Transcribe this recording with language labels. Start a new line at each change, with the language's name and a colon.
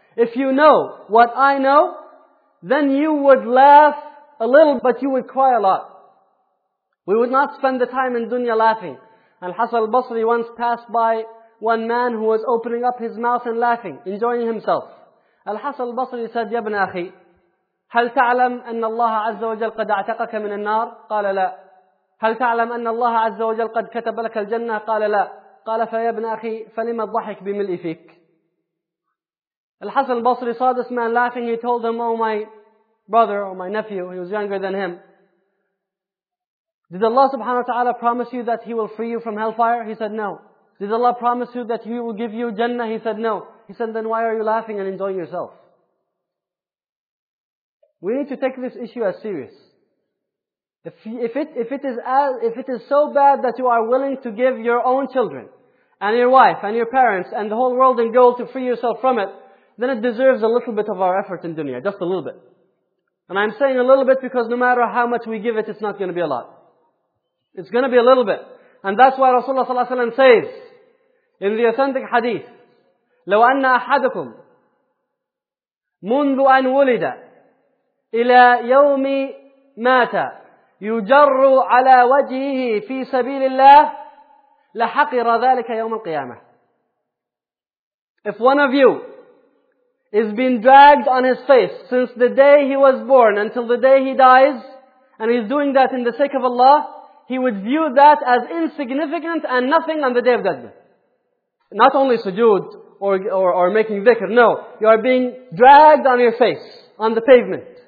English: If you know what I know, then you would laugh a little, but you would cry a lot. We would not spend the time in dunya laughing. Al-Hasan al-Basri once passed by one man who was opening up his mouth and laughing, enjoying himself. Al-Hasan al-Basri said,
Arabic: يَا بْنَ أَخِي هل تعلم أن الله عز وجل قد اعتقك من النار؟ قال لا. هل تعلم أن الله عز وجل قد كتب لك الجنة؟ قال لا. قال فيا ابن أخي فلما الضحك بملء فيك؟ الحسن البصري
English: saw this man laughing. He told him, oh my brother, oh my nephew, he was younger than him. Did Allah subhanahu wa ta'ala promise you that he will free you from hellfire? He said no. Did Allah promise you that he will give you Jannah? He said no. He said then why are you laughing and enjoying yourself? We need to take this issue as serious. If it is so bad that you are willing to give your own children and your wife and your parents and the whole world in gold to free yourself from it, then it deserves a little bit of our effort in dunya, just a little bit. And I'm saying a little bit because no matter how much we give it, it's not going to be a lot. It's going to be a little bit. And that's why Rasulullah sallallahu alaihi wasallam says in the authentic hadith,
Arabic: لو أن أحدكم منذ أن ولد إلى يوم مات يجر على وجهه في سبيل الله لحقر ذلك يوم القيامة.
English: If one of you is being dragged on his face since the day he was born until the day he dies, and he's doing that in the sake of Allah, he would view that as insignificant and nothing on the Day of Judgment. Not only sujood or making dhikr, no. You are being dragged on your face, on the pavement.